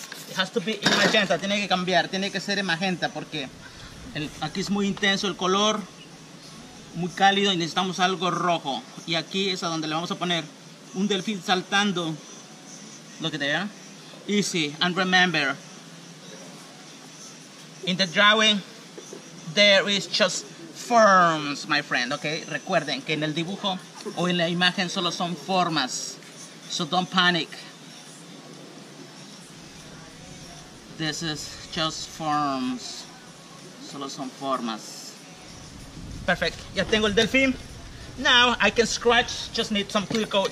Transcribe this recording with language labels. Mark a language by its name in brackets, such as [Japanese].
[English] It has to be magenta, [Spanish] tiene que cambiar, tiene que ser magenta porque aquí es muy intenso el color. Muy cálido y necesitamos algo rojo. Y aquí es a donde le vamos a poner un delfín saltando. [English] Look at there. Easy. And remember, in the drawing, there is just forms, my friend. Okay? [Spanish] Recuerden que en el dibujo o en la imagen solo son formas. [English] So don't panic. This is just forms. [Spanish] Solo son formas. [English] Perfect, [Spanish] ya tengo el delfín. [English] Now I can scratch, just need some clear coat.